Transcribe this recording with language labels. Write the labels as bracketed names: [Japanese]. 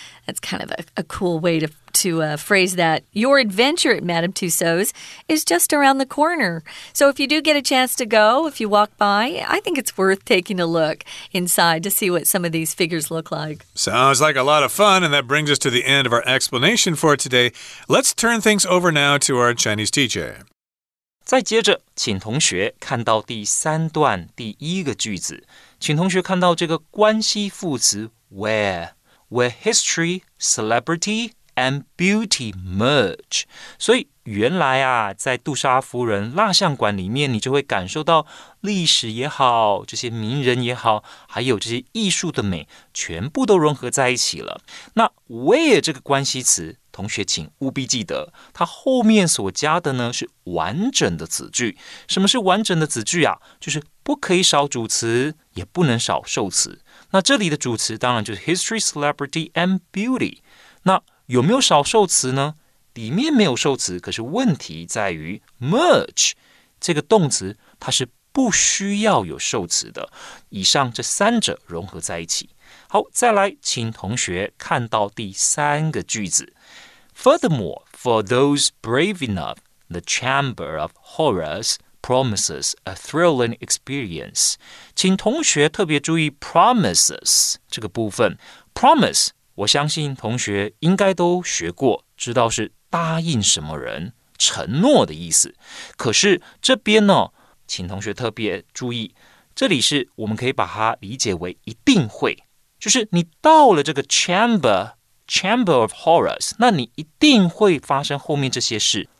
[English] That's kind of a cool way to phrase that. Your adventure at Madame Tussauds is just around the corner. So if you do get a chance to go, if you walk by, I think it's worth taking a look inside to see what some of these figures look like. Sounds like a lot of fun, and that brings us to the end of our explanation for today. Let's turn things over now to our Chinese teacher. [Chinese] 再接着，请同学看到第三段第一个句子，请同学看到这个关系副词 [English] where history, celebrity,and beauty merge. [Chinese] 所以原来啊，在杜莎夫人蜡像馆里面，你就会感受到历史也好，这些名人也好，还有这些艺术的美，全部都融合在一起了。那 where 这个关系词，同学请务必记得，它后面所加的呢，是完整的子句。什么是完整的子句啊？就是不可以少主词，也不能少受词。那这里的主词当然就是 [English] history, celebrity, and beauty。 [Chinese] 那有没有少受词呢？里面没有受词，可是问题在于 merge 这个动词，它是不需要有受词的。以上这三者融合在一起。好，再来，请同学看到第三个句子。 [English] Furthermore, for those brave enough, the Chamber of Horrors promises a thrilling experience. [Chinese] 请同学特别注意 promises 这个部分。 [English] Promise. [Chinese] 我相信同学应该都学过，知道是答应什么人、承诺的意思。可是这边呢，请同学特别注意，这里是我们可以把它理解为一定会，就是你到了这个 Chamber of Horrors， 那你一定会发生后面这些事。